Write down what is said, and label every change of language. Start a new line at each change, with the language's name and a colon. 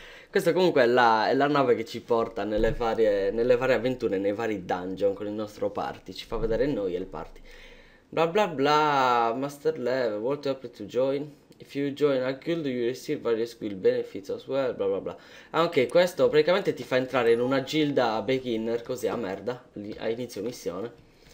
Italian: Questa comunque è la nave che ci porta nelle varie avventure, nei vari dungeon con il nostro party. Ci fa vedere noi e il party.
English: Bla bla bla, Master Level, what up to join? If you join a guild, you receive various guild benefits as well, bla bla bla.
Italian: Ah, ok, questo praticamente ti fa entrare in una gilda beginner, così a merda, a inizio missione.